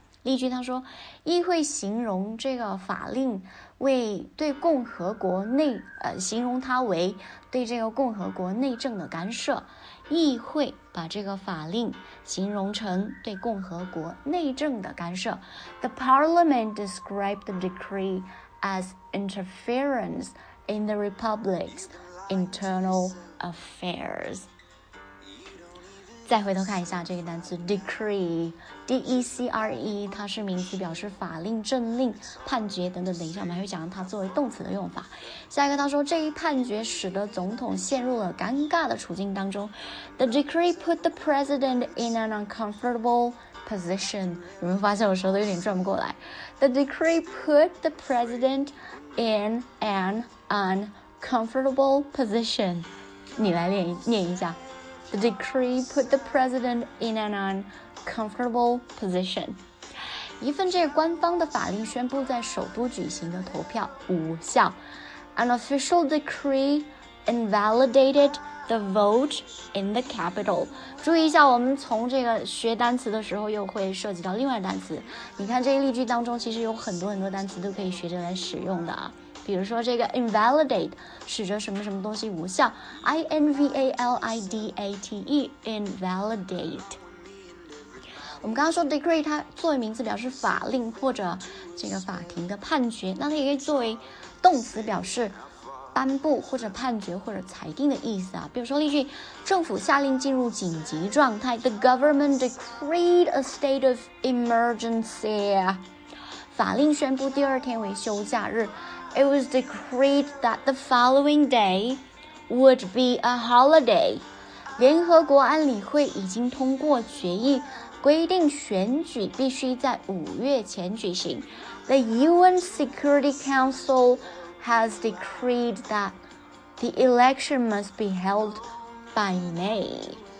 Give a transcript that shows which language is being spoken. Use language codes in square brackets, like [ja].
[zh] 例句，他说议会形容这个法令为对共和国内形容它为对这个共和国内政的干涉。议会把这个法令形容成对共和国内政的干涉。 [en] The parliament described the decree as interference in the republic's internal affairs. [zh] 再回头看一下这个单词 decree, D-E-C-R-E, 它是名词表示法令、政令、判决等等。等一下我们还会讲它作为动词的用法。下一个，他说这一判决使得总统陷入了尴尬的处境当中。 [en] The decree put the president in an uncomfortable position. [zh] 有没有发现我舌头有点转不过来？ [en] The decree put the president in an uncomfortable position. [zh] 你来念一下。 [en] The decree put the president in an uncomfortable position. [zh] 一份这个官方的法令宣布在首都举行的投票无效。 [en] An official decree invalidated the vote in the capital. [zh] 注意一下，我们从这个学单词的时候又会涉及到另外单词。你看这一例句当中，其实有很多很多单词都可以学着来使用的啊。比如说这个 invalidate 使着什么什么东西无效， I-N-V-A-L-I-D-A-T-E invalidate。我们刚刚说 decree 它作为名词表示法令或者这个法庭的判决，那它也可以作为动词表示颁布或者判决或者裁定的意思啊。比如说例句，政府下令进入紧急状态。 [en] The government decreed a state of emergency. [zh] 法令宣布第二天为休假日。 [en] It was decreed that the following day would be a holiday. [zh] 联合国安理会已经通过决议，规定选举必须在五月前举行。 [en] The UN Security Council has decreed that the election must be held by May.